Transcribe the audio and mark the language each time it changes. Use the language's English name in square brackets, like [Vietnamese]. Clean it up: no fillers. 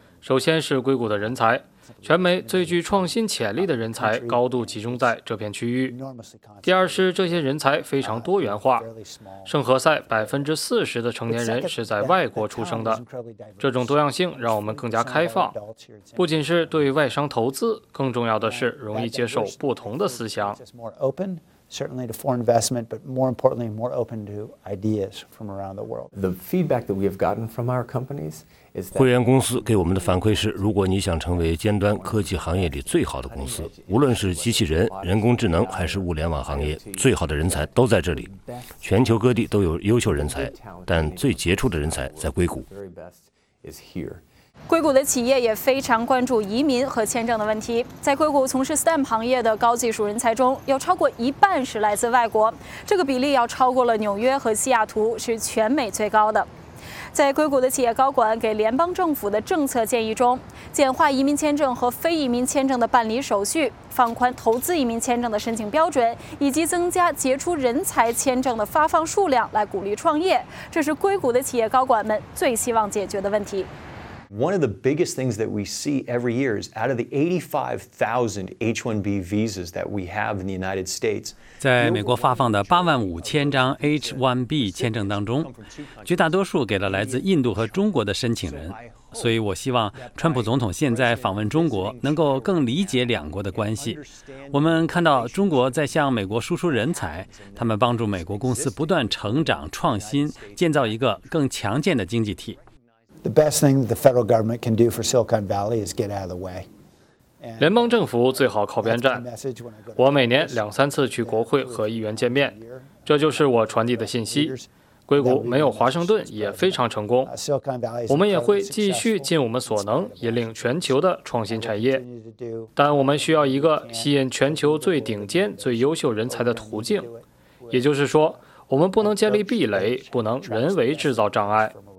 [Chinese] 首先是硅谷的人才，全美最具创新潜力的人才高度集中在这片区域。第二是这些人才非常多元化，圣何塞40%的成年人是在外国出生的，这种多样性让我们更加开放，不仅是对外商投资，更重要的是容易接受不同的思想。 [English] Certainly to foreign investment, but more importantly, more open to ideas from around the world. The feedback that we have gotten from our companies is that [Chinese] 会员公司给我们的反馈是，如果你想成为尖端科技行业里最好的公司，无论是机器人、人工智能还是物联网行业，最好的人才都在这里。全球各地都有优秀人才，但最杰出的人才在硅谷。硅谷的企业也非常关注移民和签证的问题。在硅谷从事 STEM 行业的高技术人才中，有超过一半是来自外国，这个比例要超过了纽约和西雅图，是全美最高的。在硅谷的企业高管给联邦政府的政策建议中，简化移民签证和非移民签证的办理手续，放宽投资移民签证的申请标准，以及增加杰出人才签证的发放数量来鼓励创业，这是硅谷的企业高管们最希望解决的问题。 [English] One of the biggest things that we see every year is out of the 85,000 H-1B visas that we have in the United States. [Chinese] 在美国发放的85,000张 H-1B 签证当中，绝大多数给了来自印度和中国的申请人。所以我希望川普总统现在访问中国能够更理解两国的关系。我们看到中国在向美国输出人才，他们帮助美国公司不断成长、创新，建造一个更强健的经济体。 [English] The best thing the federal government can do for Silicon Valley is get out of the way. [Chinese] 联邦政府最好靠边站。我每年两三次去国会和议员见面，这就是我传递的信息。硅谷没有华盛顿也非常成功，我们也会继续尽我们所能引领全球的创新产业，但我们需要一个吸引全球最顶尖最优秀人才的途径，也就是说我们不能建立壁垒，不能人为制造障碍。